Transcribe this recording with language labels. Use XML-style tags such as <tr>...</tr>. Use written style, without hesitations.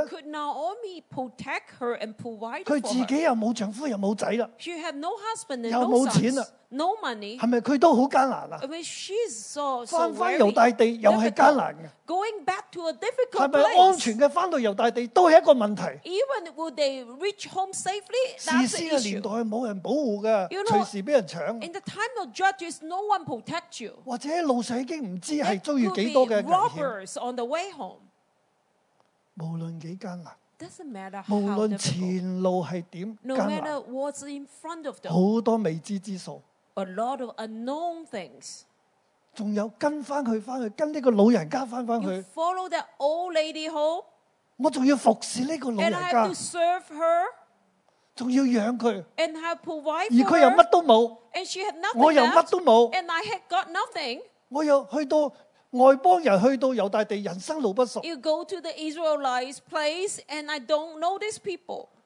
<en>？Could Naomi protect her and provide for her?</en> <yue>佢自己又冇丈夫，又冇仔啦。</yue> <en>She had no husband and no sons.</en> <yue>又冇錢啦。</yue> <en>No money.</en> <yue>係咪佢都好艱難啊？因為</yue> <en>she's so very difficult.</en> <yue>翻翻猶大地又係艱難嘅。</yue> <en>Going back to a difficult place.</en> <yue>係咪安全嘅翻到猶大地都係一個問題</yue> <en>？Even would they reach home safely?</en> <yue>士師嘅年代冇人保護嘅，隨時俾人搶。</yue> <en>In the time of judges, no one protect you.</en> <yue>或者路上已經唔知係遭遇幾多嘅危險。</yue> <en>It could be robbers on the way home.</en> <yue>無論幾艱難。</yue> <en>Doesn't matter how</en> <yue>無論前路係點艱難。</yue> <en>No matter what's in front of them.</en> <yue>好多未知之數。</yue> <en>A lot of unknown things.</en> <yue>還有跟翻佢翻去，跟呢個老人家翻翻去。</yue> <en>You follow that old lady home.</en> <yue>我仲要服侍呢個老人家。</yue> <en>And I have to serve her.</en> <yue>仲要養佢。</yue> <en>And have provide for</en> <yue>her. 而佢又乜都冇。</yue> <en>And she had nothing.</en> <yue>我又乜都冇。</yue> <en>And I had got nothing.</en> <yue>我又去到外邦人，去到猶大地，人生路不熟。</yue> <en>You go to the Israelites place, and I don't know these people.</en>